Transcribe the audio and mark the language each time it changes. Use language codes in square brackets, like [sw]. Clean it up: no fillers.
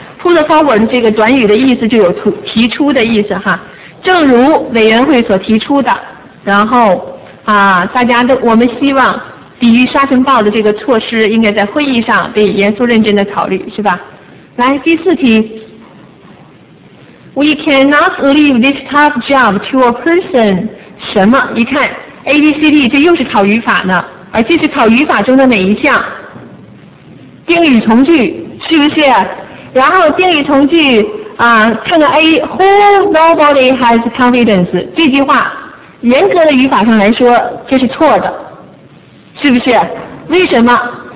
[zh] put forward 这个短语的意思就有提出的意思哈。正如委员会所提出的，然后大家都我们希望抵御沙尘暴的这个措施应该在会议上被严肃认真的考虑，是吧？来，第四题。 [en] We cannot leave this tough job to a person. [zh] 什么？一看 ABCD， 这又是考语法呢。而这是考语法中的哪一项？定语从句，是不是？然后定语从句啊，看看 A， who nobody has confidence，这句话严格的语法上来说这是错的，是不是？为什么？